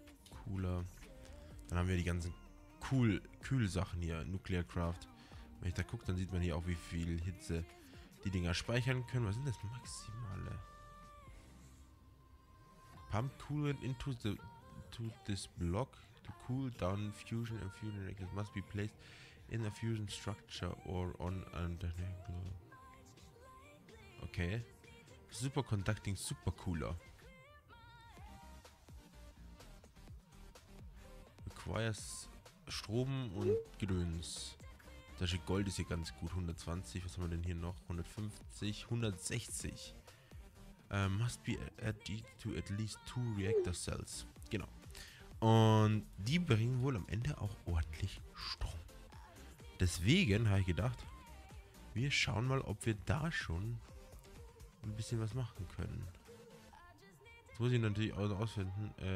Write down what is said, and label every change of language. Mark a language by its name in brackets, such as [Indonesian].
[German] Cooler. Dann haben wir die ganzen Kühlsachen hier, Nuclear Craft. Wenn ich da gucke, dann sieht man hier auch, wie viel Hitze die Dinger speichern können. Was sind das maximale? [English] Pump coolant into this block to cool down fusion and fusion reactors must be placed in a fusion structure or on an angle. Okay. Superconducting supercooler. Requires [German] Strom und Gedöns. Das Gold ist hier ganz gut. 120. Was haben wir denn hier noch? 150. 160. [English] Must be added to at least 2 reactor cells. [German] Genau. Und die bringen wohl am Ende auch ordentlich Strom. Deswegen habe ich gedacht, wir schauen mal, ob wir da schon ein bisschen was machen können. Das muss ich natürlich auch ausfinden.